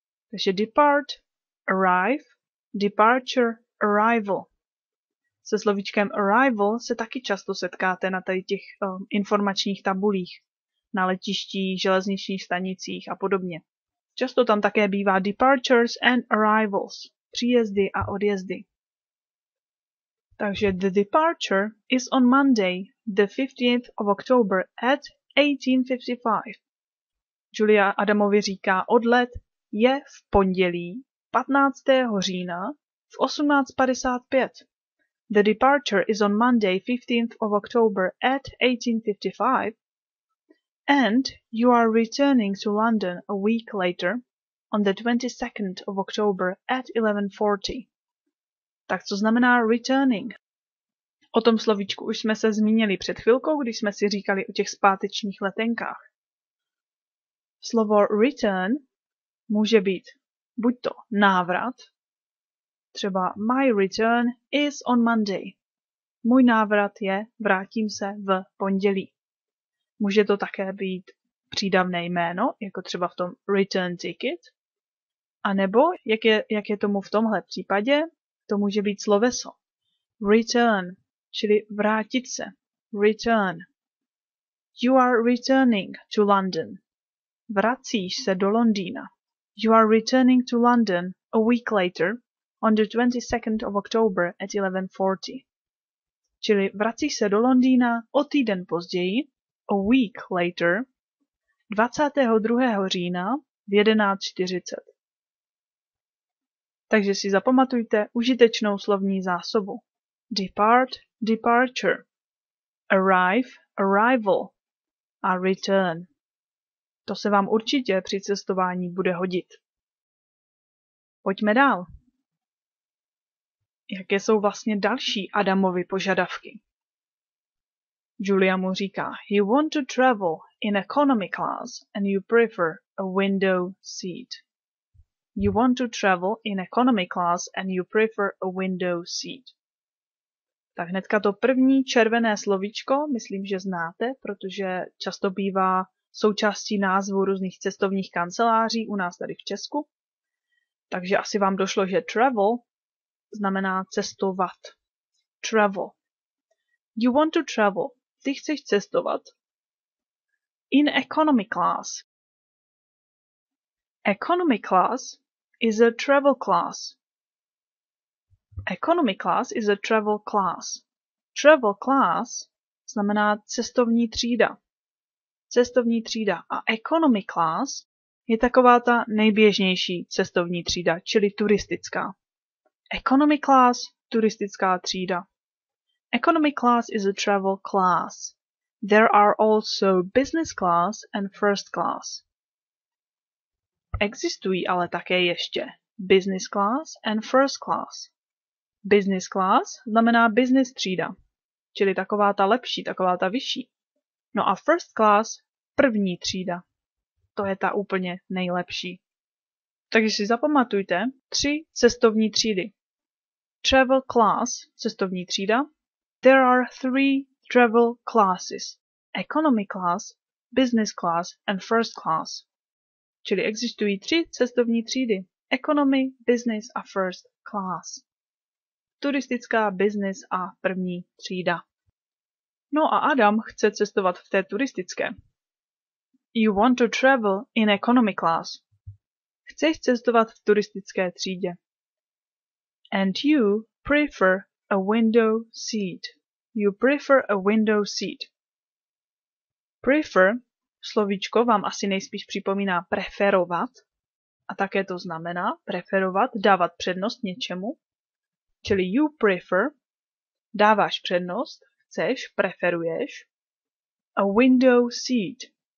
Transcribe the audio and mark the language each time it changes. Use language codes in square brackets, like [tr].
[cs] Takže depart, arrive, departure, arrival. Se slovíčkem arrival se taky často setkáte na tady těch informačních tabulích. Na letištích, železničních stanicích a podobně. Často tam také bývá [en] departures and arrivals, [cs] příjezdy a odjezdy. [en] Takže the departure is on Monday, the 15th of October at 18:55. [cs] Julia Adamovi říká, odlet je v pondělí 15. října v 18:55. [en] The departure is on Monday, 15th of October at 18:55. And you are returning to London a week later, on the 22nd of October at 11:40. [cs] Tak co znamená returning? O tom slovíčku už jsme se zmínili před chvilkou, když jsme si říkali o těch zpátečních letenkách. Slovo return může být buď to návrat, třeba [en] my return is on Monday. [cs] Můj návrat je vrátím se v pondělí. Může to také být přídavné jméno, jako třeba v tom return ticket. A nebo, jak je tomu v tomhle případě, to může být sloveso. Return, čili vrátit se. Return. [en] You are returning to London. [cs] Vracíš se do Londýna. [en] You are returning to London a week later, on the 22nd of October at 11:40. [cs] Čili vracíš se do Londýna o týden později, [en] a week later, [cs] 22. října v 11:40. Takže si zapamatujte užitečnou slovní zásobu. Depart, departure. Arrive, arrival. A return. To se vám určitě při cestování bude hodit. Pojďme dál. Jaké jsou vlastně další Adamovy požadavky? Julia mu říká, [en] you want to travel in economy class and you prefer a window seat. You want to travel in economy class and you prefer a window seat. [cs] Tak hnedka to první červené slovíčko, myslím, že znáte, protože často bývá součástí názvu různých cestovních kanceláří u nás tady v Česku. Takže asi vám došlo, že travel znamená cestovat. Travel. [en] You want to travel. [cs] Ty chceš cestovat [en] in economy class. Economy class is a travel class. Economy class is a travel class. [cs] Travel class znamená cestovní třída. Cestovní třída. A economy class je taková ta nejběžnější cestovní třída, čili turistická. Economy class, turistická třída. [en] Economy class is a travel class. There are also business class and first class. [cs] Existují ale také ještě [en] business class and first class. [cs] Business class znamená business třída, čili taková ta lepší, taková ta vyšší. No a first class, první třída. To je ta úplně nejlepší. Takže si zapamatujte tři cestovní třídy. Travel class, cestovní třída. [en] There are three travel classes. Economy class, business class and first class. [cs] Čili existují tři cestovní třídy. Economy, business a first class. Turistická, business a první třída. No a Adam chce cestovat v té turistické. [en] You want to travel in economy class. [cs] Chceš cestovat v turistické třídě. [en] And you prefer a window seat. You prefer a window seat. [cs] Prefer, slovíčko vám asi nejspíš připomíná preferovat, a také to znamená preferovat, dávat přednost něčemu. Čili [en] you prefer, [cs] dáváš přednost, chceš, preferuješ, [en] a window seat.